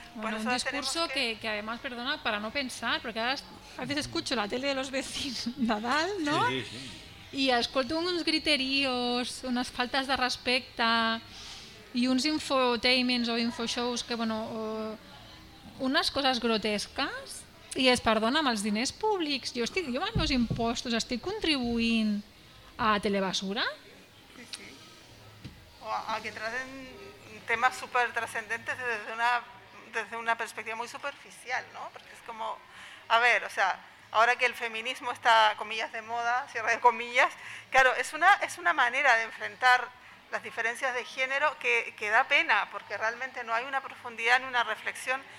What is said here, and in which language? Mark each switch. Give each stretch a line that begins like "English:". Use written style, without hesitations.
Spanish: bueno, un discurso que además, perdona, para no pensar, porque a veces escucho la tele de los vecinos Nadal, ¿no? Sí, sí. Y escucho unos griteríos, unas faltas de respeto y unos infotainments o infoshows que, bueno, unas cosas grotescas. Y es, perdona,
Catalan: amb els diners públics, yo amb els meus impostos estic contribuint a telebasura.
Spanish: A que traten temas súper trascendentes desde una perspectiva muy superficial, ¿no? Porque es como, a ver, o sea, ahora que el feminismo está, comillas, de moda, cierre de comillas, claro, es una manera de enfrentar las diferencias de género que da pena, porque realmente no hay una profundidad ni una reflexión.